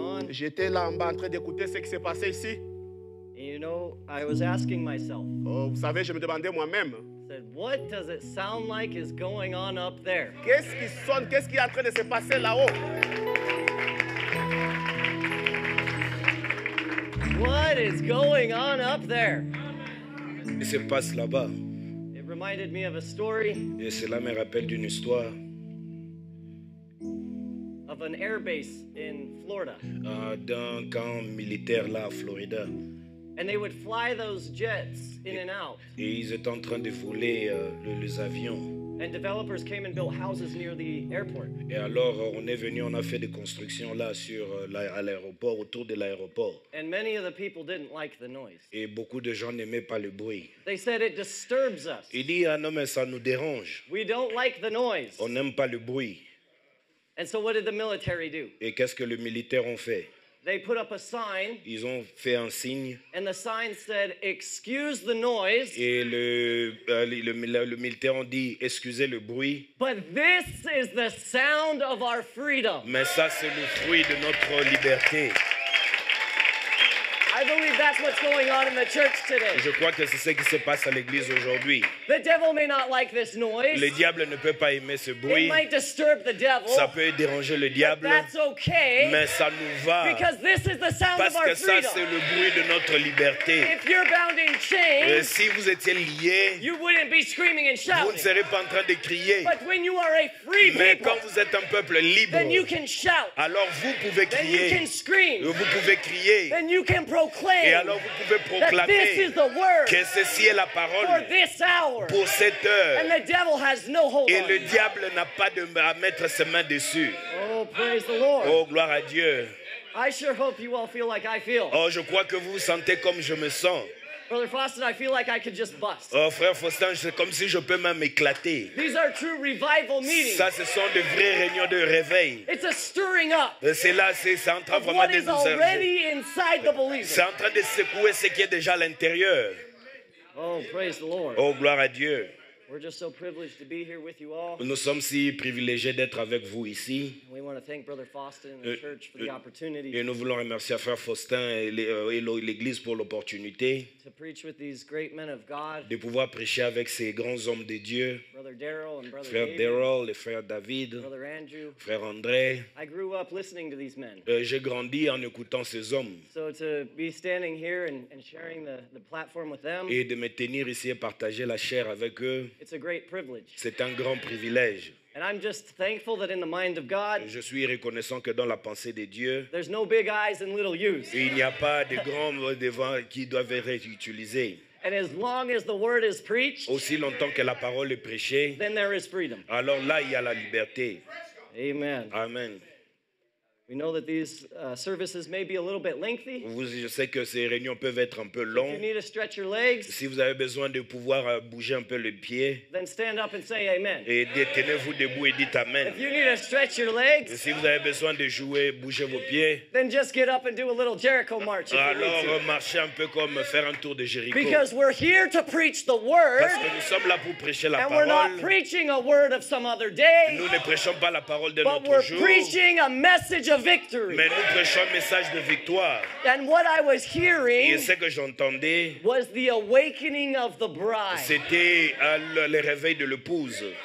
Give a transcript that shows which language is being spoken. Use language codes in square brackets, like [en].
[fr] J'étais là en bas en train d'écouter ce qui s'est passé ici. [en] And you know, I was asking myself, [fr] vous savez, je me demandais moi-même. [en] Said, what does it sound like is going on up there? [fr] Qu'est-ce qui sonne? Qu'est-ce qui est en train de se passer là-haut? [en] What is going on up there? [fr] Il se passe là-bas. [en] It reminded me of a story. [fr] Et cela me rappelle d'une histoire. [en] Of an airbase in Florida. [fr] D'un camp militaire là, Florida. [en] And they would fly those jets in and out. [fr] Et ils étaient en train de voler les avions. [en] And developers came and built houses near the airport. [fr] Et alors on est venu, on a fait des constructions là sur à l'aéroport, autour de l'aéroport. [en] And many of the people didn't like the noise. [fr] Et beaucoup de gens n'aimaient pas le bruit. [en] They said it disturbs us. [fr] Il dit ah non mais ça nous dérange. [en] We don't like the noise. [fr] On n'aime pas le bruit. [en] And so what did the military do? [fr] Et qu'est-ce que les militaires ont fait? [en] They put up a sign. [fr] Ils ont fait un signe. [en] And the sign said, "Excuse the noise." [fr] Et le militaire ont dit, excusez le bruit. [en] But this is the sound of our freedom. [fr] Mais ça c'est le fruit de notre liberté. [en] I believe that's what's going on in the church today. [fr] Je crois que c'est ce qui se passe à l'église aujourd'hui. [en] The devil may not like this noise. [fr] Le diable ne peut pas aimer ce bruit. [en] It might disturb the devil. [fr] Ça peut déranger le diable. [en] But that's okay. [fr] Mais ça nous va. [en] Because this is the sound of our freedom. [fr] Parce que ça, c'est le bruit de notre liberté. [en] If you're bound in chains, [fr] et si vous étiez lié, [en] you wouldn't be screaming and shouting. [fr] Vous ne serez pas en train de crier. [en] But when you are a free [fr] mais [en] people, [fr] quand vous êtes un peuple libre, [en] then you can shout. [fr] Alors vous pouvez crier. [en] Then you can scream. [fr] Vous pouvez crier. [en] Then you can proclaim. proclaim [fr] et alors vous pouvez proclamer [en] that this is the word [fr] que ceci est la parole [en] for this hour. [fr] Pour cette heure. [en] And the devil has no hold [fr] et [en] on [fr] le diable n'a pas de à mettre ses mains dessus. [en] Oh, praise the Lord. [fr] Oh, gloire à Dieu. [en] I sure hope you all feel like I feel. [fr] Oh, je crois que vous vous sentez comme je me sens. [en] Brother Faustin, I feel like I could just bust. [fr] Oh, frère Faustin, c'est comme si je peux même éclater. [en] These are true revival meetings. [fr] Ça, ce sont de vraies réunions de réveil. [en] It's a stirring up. [fr] C'est là, c'est en train vraiment de nous [en] already inside the believer. [fr] C'est en train de secouer ce qui est déjà à l'intérieur. [en] Oh, praise the Lord. [fr] Oh, gloire à Dieu. [en] We're just so privileged to be here with you all. [fr] Nous sommes si privilégiés d'être avec vous ici. [en] We want to thank Brother Faustin and the church for the opportunity. [fr] Et nous voulons remercier Frère Faustin et l'Église pour l'opportunité [en] to preach with these great men of God. [fr] De pouvoir prêcher avec ces grands hommes de Dieu. [en] Brother Daryl and Brother [fr] Frère David. Daryl et Frère David. [en] Brother Andrew. [fr] Frère André. [en] I grew up listening to these men. [fr] J'ai grandi en écoutant ces hommes. [en] So to be standing here and sharing the platform with them. [fr] Et de me tenir ici et partager la chair avec eux. [en] It's a great privilege. [fr] C'est un grand privilège. [en] And I'm just thankful that in the mind of God, [fr] je suis reconnaissant que dans la pensée de Dieu, [en] there's no big eyes and little use. [fr] Il n'y a pas de grands devants qui doivent être utilisés. [en] And as long as the word is preached, [fr] aussi longtemps que la parole est prêchée, [en] then there is freedom. [fr] Alors là, il y a la liberté. [en] Amen. [fr] Amen. [en] We know that these services may be a little bit lengthy. [fr] Je sais que ces réunions peuvent être un peu longues. [en] If you need to stretch your legs, [fr] si vous avez besoin de pouvoir bouger un peu le pied, [en] then stand up and say amen. [fr] Et détenez-vous debout et dites amen. [en] If you need to stretch your legs, [fr] si vous avez besoin de jouer, bouger vos pieds, [en] then just get up and do a little Jericho march. [fr] Alors marcher un peu comme faire un tour de Jéricho. [en] Because we're here to preach the word. [fr] Parce que nous sommes là pour prêcher la [en] and [fr] parole. [en] And we're not preaching a word of some other day. [fr] Nous ne prêchons pas la parole de [en] but [fr] notre [en] we're [fr] jour. [en] We're preaching a message of victory. [fr] Mais nous prêchons un message de victoire. [en] And what I was hearing [fr] et ce que j'entendais [en] was the awakening of the bride. [fr] C'était le réveil de l'épouse.